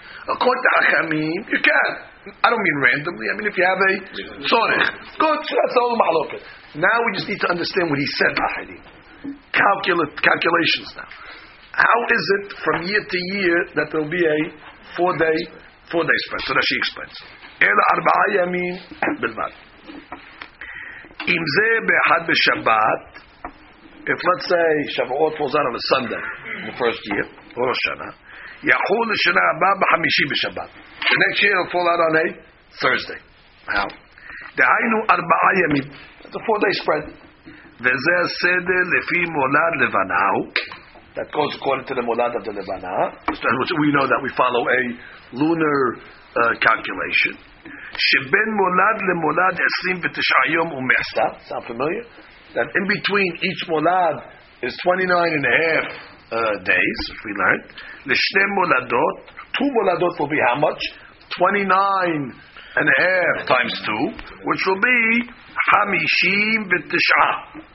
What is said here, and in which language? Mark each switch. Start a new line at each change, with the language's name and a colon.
English: According to Achamim, you can. I don't mean randomly. I mean if you have a Tzorech. Good, so that's all Mahalokah. Now we just need to understand what he said, Ahadim. Calculations now. How is it from year to year that there will be a four-day spread? So that she explains.
Hebrew: אלא ארבעה ימים בלבד. אם זה באחד בשבת,
English: if let's say שבועות falls out of a Sunday, the first year, or a שנה,
Hebrew: יחול לשנה הבאה בחמישי בשבת.
English: The next year will fall out on a Thursday. Now,
Hebrew: דהיינו ארבעה ימים,
English: the 4 day spread,
Hebrew: וזה הסדר לפי מולד לבנהו,
English: that goes according to the מולד of the לבנה, we know that we follow a lunar calculation.
Hebrew: Sheben molad le molad 29 yom umehsta.
English: Sound familiar? That in between each molad is 29 and a half days, if we learned.
Hebrew: Leshne moladot.
English: Two moladot will be how much? 29 and a half times two, which will be
Hebrew: hamishim v'tishah.